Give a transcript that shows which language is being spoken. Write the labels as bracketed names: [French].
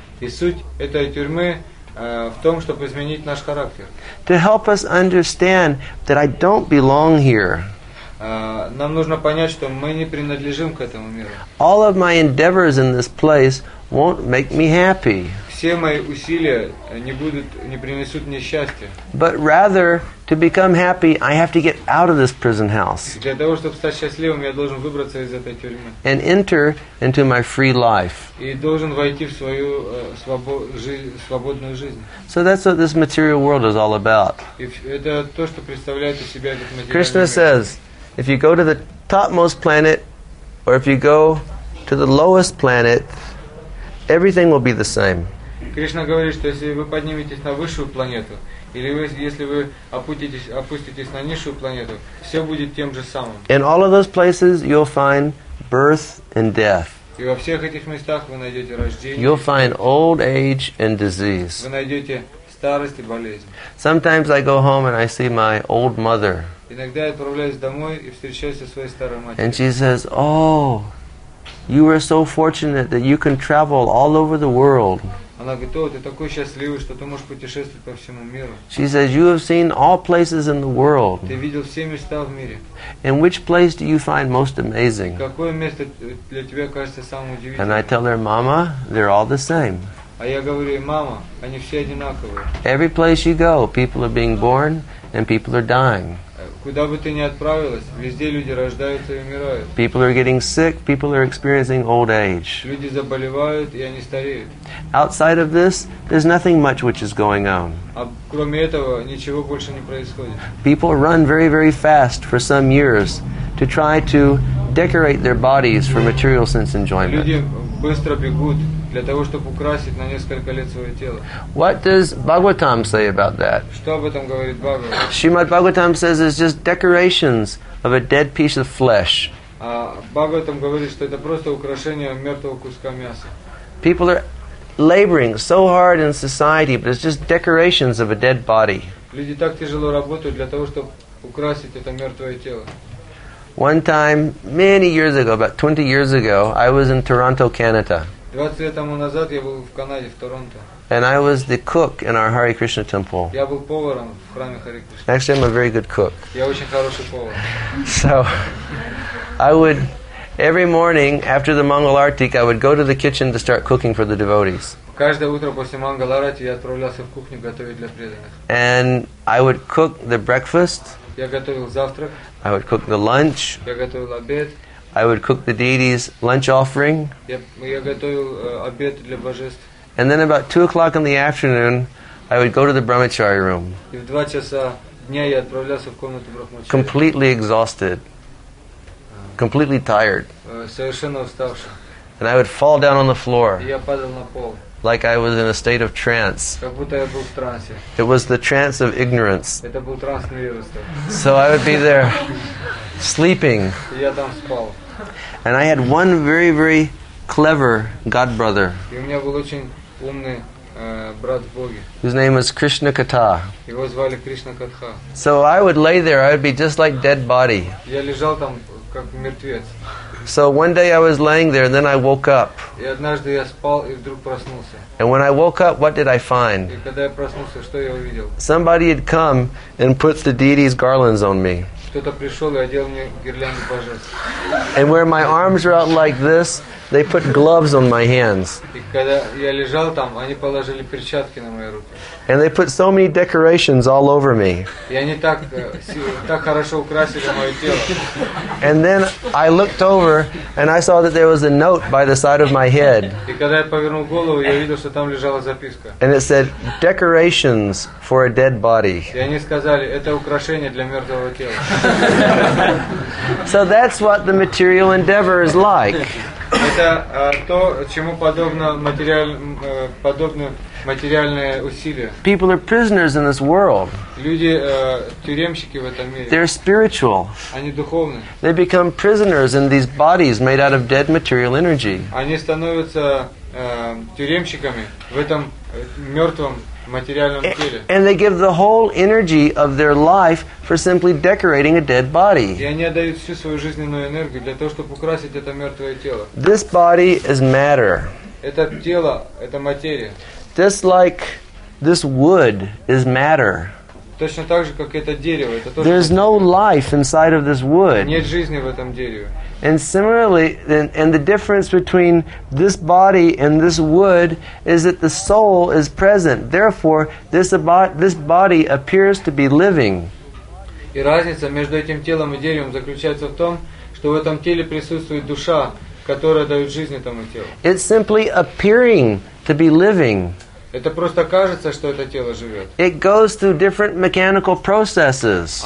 [Russian] И суть этой тюрьмы в том, чтобы изменить наш характер. [English] To help us understand that I don't belong here. [Russian] Нам нужно понять, что мы не принадлежим к этому миру. [English] All of my endeavors in this place won't make me happy. [Russian] Все мои усилия не принесут мне счастья. [English] But rather, to become happy, I have to get out of this prison house. [Russian] Для того, чтобы стать счастливым, я должен выбраться из этой тюрьмы. [English] And enter into my free life. [Russian] И должен войти в свою свободную жизнь. [English] So that's what this material world is all about. [Russian] Это то, что представляет из себя этот материальный мир. [English] Krishna says, if you go to the topmost planet, or if you go to the lowest planet, everything will be the same. [Russian] Кришна говорит, что если вы подниметесь на высшую планету, или если вы опуститесь на низшую планету, все будет тем же самым. [English] In all of those places, you'll find birth and death. [Russian] И во всех этих местах вы найдете рождение. [English] You'll find old age and disease. [Russian] Вы найдете старость и болезнь. [English] Sometimes I go home and I see my old mother. [Russian] Иногда я отправляюсь домой и встречаюсь со своей старой матерью. [English] And she says, "Oh, you are so fortunate that you can travel all over the world." [Russian] Она говорит, о, ты такой счастливый, что ты можешь путешествовать по всему миру. [English] She says, you have seen all places in the world. [Russian] Ты видел все места в мире. [English] And which place do you find most amazing? [Russian] Какое место для тебя кажется самым удивительным? [English] And I tell her, mama, they're all the same. [Russian] А я говорю, мама, они все одинаковые. [English] Every place you go, people are being born and people are dying. [Russian] Куда бы ты ни отправилась, везде люди рождаются и умирают. [English] People are getting sick, people are experiencing old age. [Russian] Люди заболевают, и они стареют. [English] Outside of this, there's nothing much which is going on. [Russian] А кроме этого, ничего больше не происходит. [English] People run very, very fast for some years to try to decorate their bodies for material sense enjoyment. [Russian] Люди быстро бегут для того, чтобы украсить на несколько лет свое тело. [English] What does Bhagavatam say about that? [Russian] Что об этом говорит Бхагаватам? [English] Shrimad Bhagavatam says it's just decorations of a dead piece of flesh. [Russian] Бхагаватам говорит, что это просто украшение мертвого куска мяса. [English] People are laboring so hard in society, but it's just decorations of a dead body. [Russian] Люди так тяжело работают для того, чтобы украсить это мертвое тело. [English] One time, many years ago, about 20 years ago, I was in Toronto, Canada. [Russian] 20 лет тому назад я был в Канаде, в Торонто. [English] And I was the cook in our Hare Krishna temple. [Russian] Я был поваром в храме Харе Кришна. [English] Actually, I'm a very good cook. [Russian] Я очень хороший повар. [English] So, I would, every morning after the Mangalartik, I would go to the kitchen to start cooking for the devotees. [Russian] Каждое утро после Мангаларати я отправлялся в кухню готовить для преданных. [English] And I would cook the breakfast. [Russian] Я готовил завтрак. [English] I would cook the lunch. [Russian] Я готовил обед. [English] I would cook the deity's lunch offering. [Russian] Я готовил обед для божеств. [English] And then about 2 o'clock in the afternoon, I would go to the brahmachari room. [Russian] И в 2 часа дня я отправлялся в комнату брахмачари. [English] Completely exhausted. Completely tired. [Russian] Совершенно уставший. [English] And I would fall down on the floor. [Russian] Я падал на пол. [English] Like I was in a state of trance. [Russian] Как будто я был в трансе. [English] It was the trance of ignorance. [Russian] Это был транс невежества. [English] So I would be there sleeping. [Russian] Я там спал. [English] And I had one very, very clever god brother. [Russian] И у меня был очень умный брат в Боге. [English] His name was Krishna Katha. [Russian] Его звали Кришна Катха. [English] So I would lay there, I would be just like dead body. [Russian] Я лежал там как мертвец. [English] So one day I was laying there and then I woke up. [Russian] И однажды я спал и вдруг проснулся. [English] And when I woke up, what did I find? [Russian] И когда я проснулся, что я увидел? [English] Somebody had come and put the deity's garlands on me. [Russian] Кто-то пришел и одел мне гирлянды божеств. [English] And where my arms were out like this, they put gloves on my hands. [Russian] И когда я лежал там, они положили перчатки на мои руки. [English] And they put so many decorations all over me. [Russian] И они так хорошо украсили мое тело. [English] And then I looked over and I saw that there was a note by the side of my head. [Russian] И когда я повернул голову, я видел, что там лежала записка. [English] And it said, decorations for a dead body. [Russian] И они сказали, это украшение для мертвого тела. [English] So that's what the material endeavor is like. [Russian] Это то, чему подобно подобно материальное усилие. [English] People are prisoners in this world. [Russian] Люди тюремщики в этом мире. [English] They're spiritual. [Russian] Они духовны. [English] They become prisoners in these bodies made out of dead material energy. [Russian] Они становятся тюремщиками в этом мертвом материальном теле. [English] And they give the whole energy of their life for simply decorating a dead body. [Russian] И они отдают всю свою жизненную энергию для того, чтобы украсить это мертвое тело. [English] This body is matter. [Russian] Это тело, это материя. [English] Just like this wood is matter. [Russian] Точно так же, как это дерево. Это тоже. [English] There's no life inside of this wood. [Russian] Нет жизни в этом дереве. [English] And similarly, and the difference between this body and this wood is that the soul is present. Therefore, this body appears to be living. [Russian] И разница между этим телом и деревом заключается в том, что в этом теле присутствует душа, которая дает жизнь этому телу. [English] It's simply appearing to be living. [Russian] Это просто кажется, что это тело живет. [English] It goes through different mechanical processes.